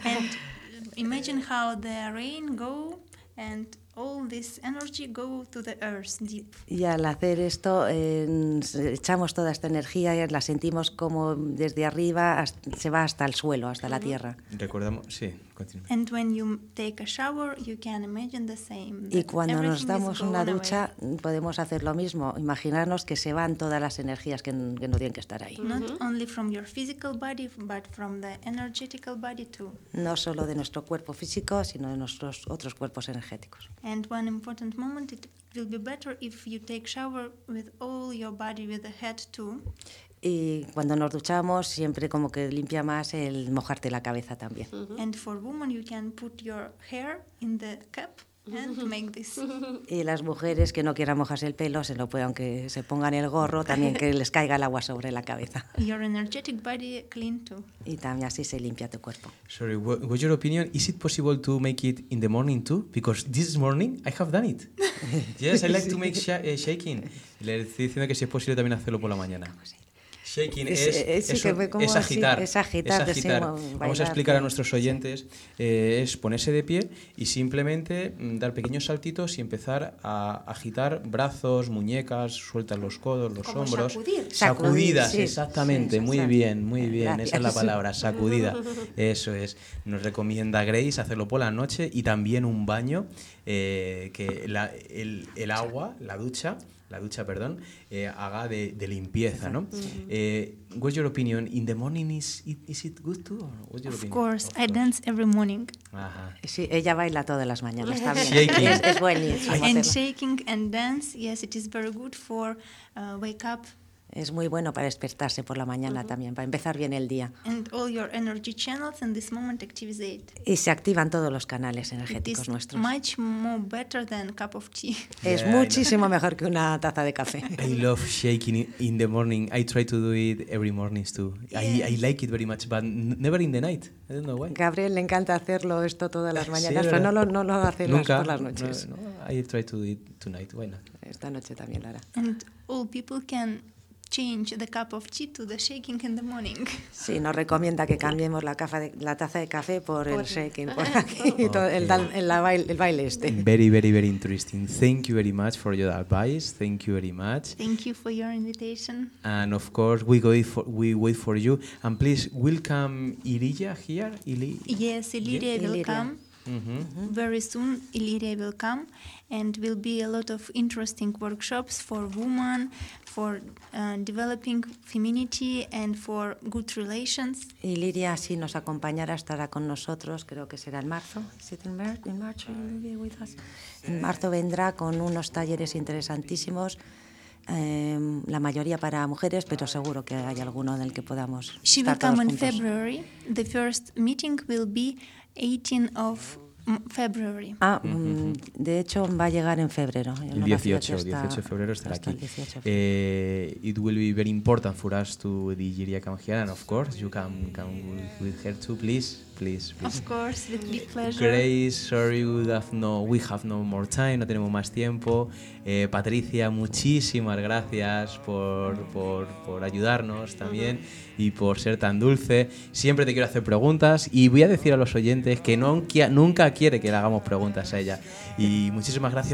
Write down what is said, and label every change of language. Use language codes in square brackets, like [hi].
[en] And imagine how the rain go and all this energy go to the earth deep. [es] Y al hacer esto echamos toda esta energía y la sentimos como desde arriba se va hasta el suelo, hasta la tierra. Recordamos, sí, continúa. [en] And when you take a shower, you can imagine the same. [es] Y cuando nos damos una ducha, podemos hacer lo mismo, imaginarnos que se van todas las energías que no tienen que estar ahí. Mm-hmm. [en] Not only from your physical body, but from the energetical body too. [es] No solo de nuestro cuerpo físico, sino de nuestros otros cuerpos energéticos. [en] And one important moment, it will be better if you take shower with all your body, with the head too. [es] Y cuando nos duchamos, siempre como que limpia más el mojarte la cabeza también. Mm-hmm. [en] And for women, you can put your hair in the cup and make this. [es] Y las mujeres que no quieran mojarse el pelo, se lo pueden, aunque se pongan el gorro, también que les caiga el agua sobre la cabeza. [en] Your energetic body clean too. [es] Y también así se limpia tu cuerpo. [en] Sorry, what's your opinion? Is it possible to make it in the morning too? Because this morning I have done it. Yes, I like to make shaking. [es] Le estoy diciendo que si es posible también hacerlo por la mañana. Shaking es agitar. Vamos a explicar a nuestros oyentes, es ponerse de pie y simplemente dar pequeños saltitos y empezar a agitar brazos, muñecas, sueltas los codos, los como hombros. Sacudidas, sí. Exactamente. Sí, muy bien, gracias. Esa es la palabra, sacudida. Eso es. Nos recomienda Grace hacerlo por la noche y también un baño, que el agua, la ducha, haga de limpieza, ¿no? [en] What's your opinion? In the morning, is it good too? Of course. I dance every morning. [es] Ajá. Sí, ella baila todas las mañanas. Está bien. [en] Shaking. [es] Es buenísimo. [en] And shaking and dance, yes, it is very good for wake up. [es] Es muy bueno para despertarse por la mañana, uh-huh, también, para empezar bien el día. [en] And all your energy channels in this moment activate. [es] Y se activan todos los canales energéticos [en] it is [es] nuestros. [en] Much more better than a cup of tea. [es] Es yeah, muchísimo mejor que una taza de café. [en] I love shaking in the morning. I try to do it every morning too. Yeah. I like it very much, but never in the night. I don't know why. [es] Gabriel le encanta hacerlo esto todas las mañanas, sí, pero no lo hace nunca, por las noches. [en] No, I try to do it tonight. Why not? [es] Esta noche también lo hará. [en] And all people can change the cup of tea to the shaking in the morning. [es] Sí, nos recomienda que cambiemos la taza de café por el shaking, por aquí, okay. Todo el baile este. [en] Very, very, very interesting. Thank you very much for your advice. Thank you very much. Thank you for your invitation. And of course, we wait for you. And please, welcome Iliria here. Yes, Iliria, yeah. Will Iliria. Come. Mm-hmm. Very soon Iliria will come and will be a lot of interesting workshops for women, for developing femininity and for good relations. [es] Iliria, si nos acompañará, estará con nosotros, creo que será en marzo. [en] Is it in March? Will you be with us? [es] En marzo vendrá con unos talleres interesantísimos. La mayoría para mujeres, pero seguro que hay alguno del que podamos [en] she [es] estar [en] will come [es] todos [en] in [es] juntos. [en] February. The first meeting will be 18th of February. [es] Ah, uh-huh. De hecho va a llegar en febrero. El 18 de febrero estará aquí. [en] It will be very important for us to digeria come here, and of course you can come with her too, please. Please. Of course, it would be a pleasure. Grace, sorry, we have no more time, [es] no tenemos más tiempo. Patricia, muchísimas gracias por ayudarnos también y por ser tan dulce. Siempre te quiero hacer preguntas y voy a decir a los oyentes que nunca quiere que le hagamos preguntas a ella. Y muchísimas gracias.